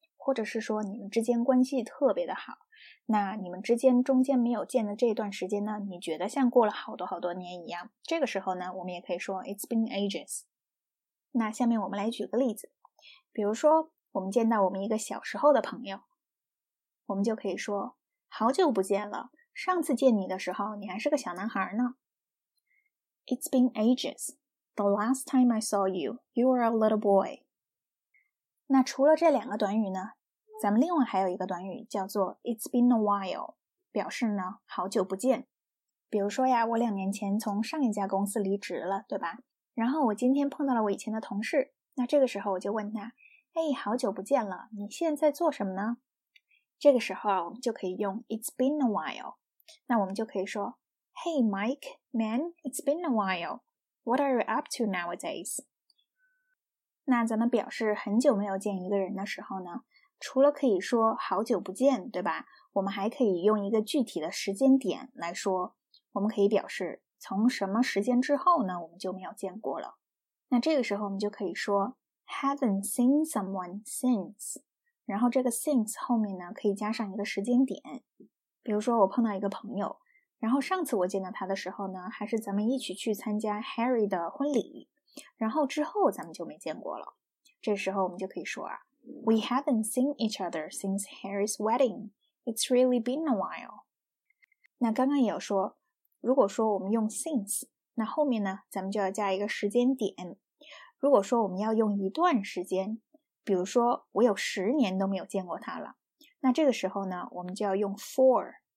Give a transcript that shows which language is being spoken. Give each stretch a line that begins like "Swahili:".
Chinese: 或者是说你们之间关系特别的好，那你们之间中间没有见的这段时间呢，你觉得像过了好多好多年一样，这个时候呢，我们也可以说
English: it's been ages。
Chinese: 那下面我们来举个例子，比如说我们见到我们一个小时候的朋友，我们就可以说，好久不见了，上次见你的时候，你还是个小男孩呢。
English: It's been ages. The last time I saw you, you were a little boy.
Chinese: 那除了这两个短语呢，咱们另外还有一个短语叫做
English: It's been a while，
Chinese: 表示呢好久不见。比如说呀，我两年前从上一家公司离职了，对吧？然后我今天碰到了我以前的同事，那这个时候我就问他，哎，好久不见了，你现在做什么呢？这个时候啊，我们就可以用
English: It's been a while。
Chinese: 那我们就可以说，
English: Hey Mike, man, it's been a while. What are you up to nowadays?
Chinese: 那咱们表示很久没有见一个人的时候呢，除了可以说好久不见，对吧，我们还可以用一个具体的时间点来说，我们可以表示从什么时间之后呢，我们就没有见过了。那这个时候我们就可以说，
English: Haven't seen someone since。
Chinese: 然后这个 since 后面呢，可以加上一个时间点。比如说我碰到一个朋友，然后上次我见到他的时候呢，还是咱们一起去参加 Harry 的婚礼，然后之后咱们就没见过了。这时候我们就可以说啊，
English: We haven't seen each other since Harry's wedding. It's really been a while.
Chinese: 那刚刚也有说，如果说我们用 since， 那后面呢咱们就要加一个时间点。如果说我们要用一段时间，比如说我有十年都没有见过他了，那这个时候呢我们就要用 for。